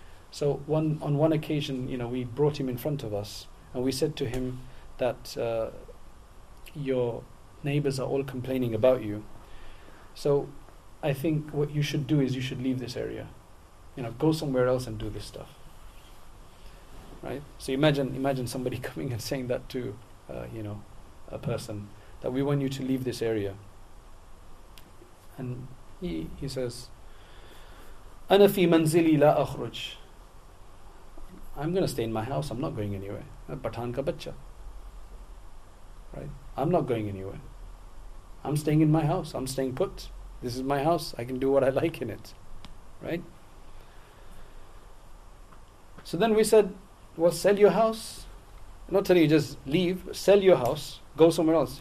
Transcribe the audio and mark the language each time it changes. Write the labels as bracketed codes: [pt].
[en] So on one occasion, we brought him in front of us, and we said to him that your neighbors are all complaining about you, so I think what you should do is you should leave this area, go somewhere else and do this stuff, right? So imagine somebody coming and saying that to a person, that we want you to leave this area. And he says, [ar] أَنَا فِي مَنْزِلِي لَا أَخْرُجْ. [en] I'm going to stay in my house, I'm not going anywhere. [ur] Pathan ka bacha. [en] Right? I'm not going anywhere. I'm staying in my house, I'm staying put. This is my house, I can do what I like in it. Right? So then we said, well, sell your house. Not telling you just leave, sell your house, go somewhere else.